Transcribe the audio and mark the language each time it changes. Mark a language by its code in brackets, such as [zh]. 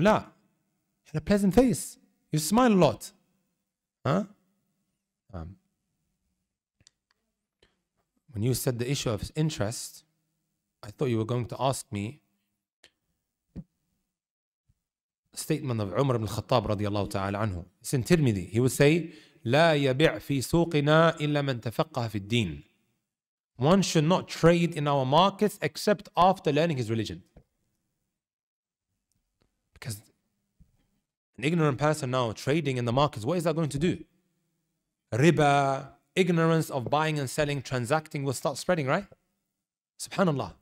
[en] La. He had a pleasant face. You smile a lot. Huh? When you said the issue of interest, I thought you were going to ask me a statement of Umar ibn al-Khattab radiallahu ta'ala anhu. It's in Tirmidhi. He would say, [ar] لا يبع في سوقنا إلا من تفقه في الدين. [en] One should not trade in our markets except after learning his religion. Because an ignorant person now trading in the markets, what is that going to do? Riba, ignorance of buying and selling, transacting will start spreading, right? Subhanallah.